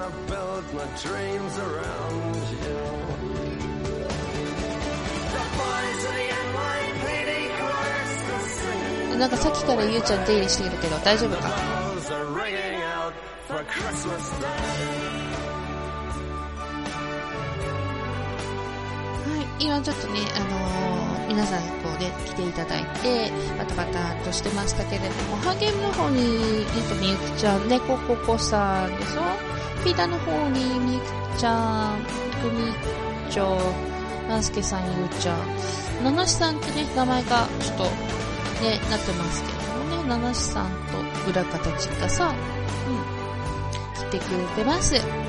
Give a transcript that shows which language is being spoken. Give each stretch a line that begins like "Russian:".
English: I built my dreams around you. The boys of the NYPD chorus are singing.
Japanese: なんかさっきからゆうちゃん出入りしているけど大丈夫か。
English: The bells are ringing out for Christmas Day.
Japanese: はい、今ちょっとね、皆さんこうね、来ていただいてバタバタとしてましたけれども、ハゲムの方にみゆきちゃん、ね、ココさんでしょ、ピーダの方にみゆきちゃん、くみちょ、マスケさん、ゆうちゃん、ナナシさんってね、名前がちょっとね、なってますけどもね、ナナシさんと裏方ちかさん、来てくれてます。